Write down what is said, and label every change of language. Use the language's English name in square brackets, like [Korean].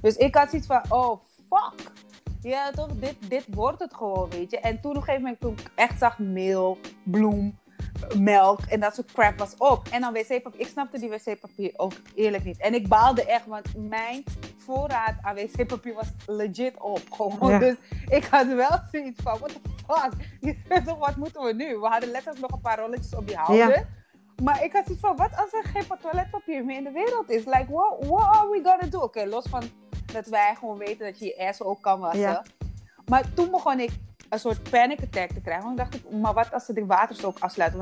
[Dutch] Dus ik had zoiets van, [English] oh fuck. [Dutch] Ja toch, dit wordt het gewoon, weet je. En toen op een gegeven moment, toen ik echt zag meel, bloem, melk en dat soort crap was op. En dan wc-papier. Ik snapte die wc-papier ook eerlijk niet. En ik baalde echt, want mijn voorraad aan wc-papier was legit op. Gewoon. Ja. Dus ik had wel zoiets van, [English] what the fuck? [Dutch] Wat moeten we nu? We hadden letterlijk nog een paar rolletjes op die houden. Ja. Maar ik had zoiets van, wat als er geen toiletpapier meer in de wereld is? [English] Like, what are we gonna do? [Dutch] Oké, los van dat wij gewoon weten dat je je ass ook kan wassen. Ja. Maar toen begon ik een soort panic attack te krijgen. Want ik dacht, maar wat als ze de waterstok afsluiten?